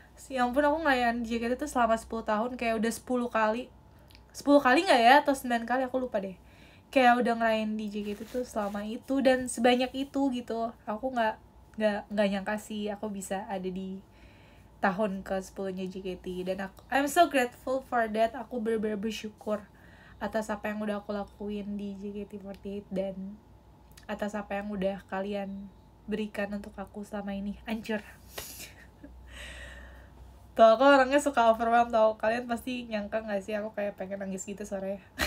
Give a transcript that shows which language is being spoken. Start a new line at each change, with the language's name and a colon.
Indonesian: Ya ampun, aku ngelayan JKT tuh selama 10 tahun, kayak udah 10 kali. 10 kali gak ya? Atau 9 kali? Aku lupa deh. Kayak udah ngelayan di JKT tuh selama itu dan sebanyak itu gitu. Aku gak nyangka sih aku bisa ada di tahun ke-10-nya JKT. Dan aku,
English: I'm so grateful for that.
Indonesian: Aku bener-bener bersyukur atas apa yang udah aku lakuin di JKT48 dan atas apa yang udah kalian berikan untuk aku selama ini. Ancur. Tau aku orangnya suka overwhelm tau. Kalian pasti nyangka gak sih aku kayak pengen nangis gitu sore.